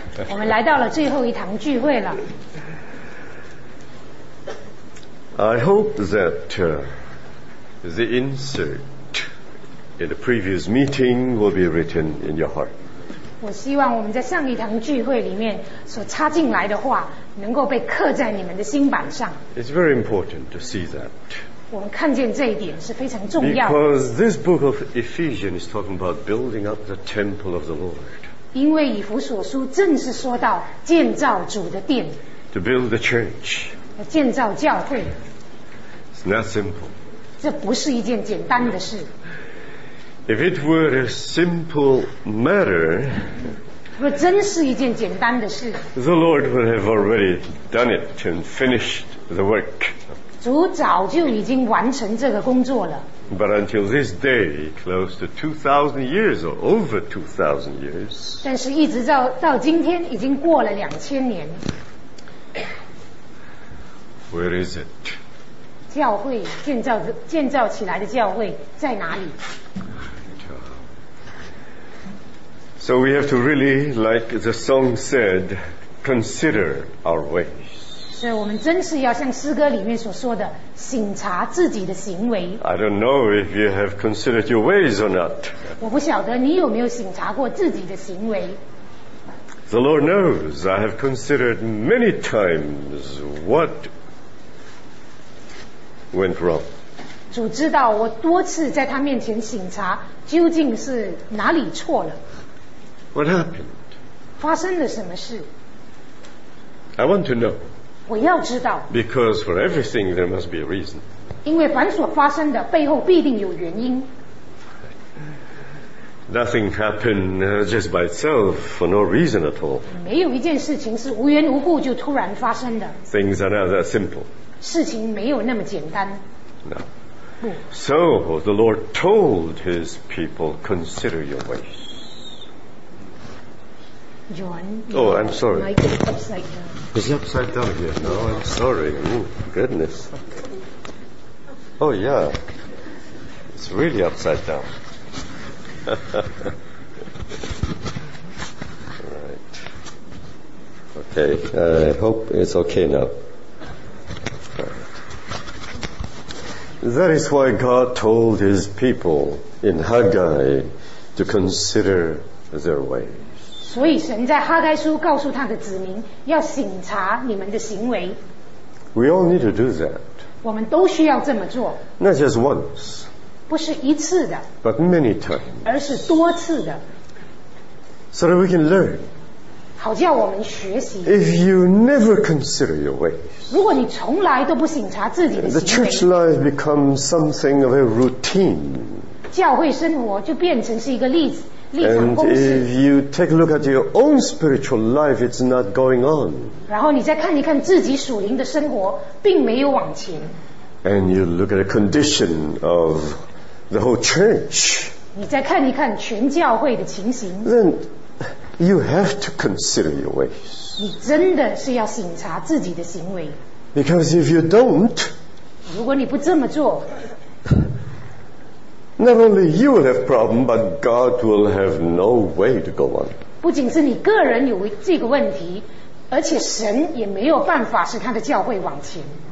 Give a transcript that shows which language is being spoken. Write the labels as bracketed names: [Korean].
[Chinese] 我们来到了最后一堂聚会了。 [English] I hope that the insert in the previous meeting will be written in your heart. [Chinese] 我希望我们在上一堂聚会里面所插进来的话能够被刻在你们的心板上。 [English] It's very important to see that. [Chinese] 我们看见这一点是非常重要。 [English] Because this book of Ephesians is talking about building up the temple of the Lord. [Chinese] 因为以弗所书正是说到建造主的殿。 [English] To build the church. [Chinese] 建造教会。 [English] It's not simple. [Chinese] 这不是一件简单的事。 [English] If it were a simple matter, [Chinese] 若真是一件简单的事， [English] the Lord would have already done it and finished the work. [Chinese] 主早就已经完成这个工作了。 [English] But until this day, close to 2,000 years or over 2,000 years, [Chinese] 但是一直到今天已经过了2000年。 [English] Where is it? [Chinese] 教会建造起来的教会在哪里？ [English] So we have to really, like the song said, consider our ways. [Chinese] 所以我们真是要像诗歌里面所说的，省察自己的行为。 [English] I don't know if you have considered your ways or not. [Chinese] 我不晓得你有没有省察过自己的行为。 [English] The Lord knows. I have considered many times what. Went wrong. [Chinese] 主知道我多次在他面前省察究竟是哪里错了。 [English] What happened? [Chinese] 发生了什么事？ [English] I want to know. [Chinese] 我要知道。 [English] Because for everything there must be a reason. [Chinese] 因为凡所发生的背后必定有原因。 [English] Nothing happened just by itself for no reason at all. [Chinese] 没有一件事情是无缘无故就突然发生的。 [English] Things are not that simple. [Chinese] 事情没有那么简单。 [English] No. So the Lord told his people, consider your ways. John. Oh, I'm sorry. Is it upside down here? No, I'm sorry. Ooh, goodness. Oh, yeah. It's really upside down. Right. Okay, I hope it's okay now. That is why God told his people in Haggai to consider their ways. [Chinese] 所以神在哈该书告诉他的子民要省察你们的行为。 [English] We all need to do that. [Chinese] 我们都需要这么做。 [English] Not just once. [Chinese] 不是一次的。 [English] But many times. [Chinese] 而是多次的。 [English] So that we can learn. [Chinese] 好叫我们学习。 [English] If you never consider your ways, [Chinese] 如果你从来都不省察自己的行为， [English] the church life becomes something of a routine. [Chinese] 教会生活就变成是一个立场公式。 [English] And if you take a look at your own spiritual life, it's not going on. [Chinese] 然后你再看一看自己属灵的生活，并没有往前。 [English] And you look at the condition of the whole church. [Chinese] 你再看一看全教会的情形。 [English] Then you have to consider your ways. [Chinese] 你真的是要省察自己的行为。 [English] Because if you don't, [Chinese] 如果你不这么做， [English] not only you will have problem, but God will have no way to go on. [Chinese] 不仅是你个人有这个问题，而且神也没有办法使他的教会往前。